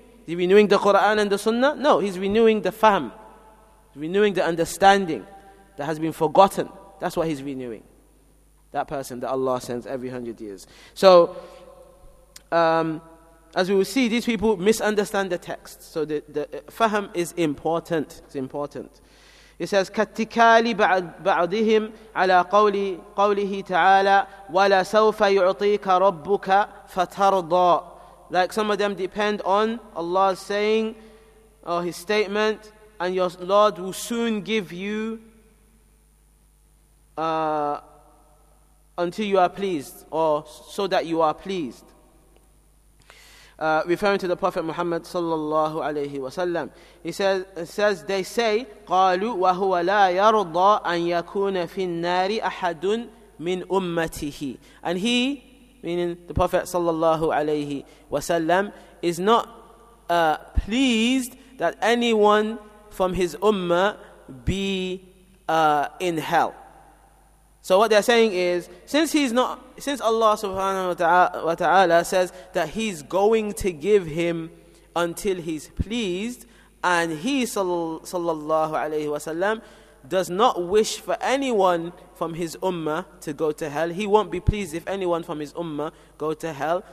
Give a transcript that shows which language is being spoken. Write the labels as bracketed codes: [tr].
[en] Is he renewing the Quran and the Sunnah? No, he's renewing the fahm. Renewing the understanding that has been forgotten. That's what he's renewing. That person that Allah sends every 100 years. So, as we will see, these people misunderstand the text. So the fahm is important. It's important. It says, [ar] كَاتِّكَالِ بَعْضِهِمْ عَلَىٰ قَوْلِهِ تَعَالَىٰ وَلَا سَوْفَ يُعْطِيكَ رَبُّكَ فَتَرْضَىٰ. [en] Like some of them depend on Allah's saying, or his statement, and your Lord will soon give you until you are pleased, or so that you are pleased. Referring to the Prophet Muhammad sallallahu alayhi wa sallam. They say, [ar] قَالُوا وَهُوَ لَا يَرْضَى أَن يَكُونَ فِي النَّارِ أَحَدٌ مِّنْ أُمَّتِهِ. [en] And he, meaning the Prophet sallallahu alayhi wa sallam, is not pleased that anyone from his ummah be in hell. So what they're saying is, since Allah subhanahu wa ta'ala says that he's going to give him until he's pleased, and he sallallahu alayhi wa sallam does not wish for anyone from his ummah to go to hell, he won't be pleased if anyone from his ummah go to hell.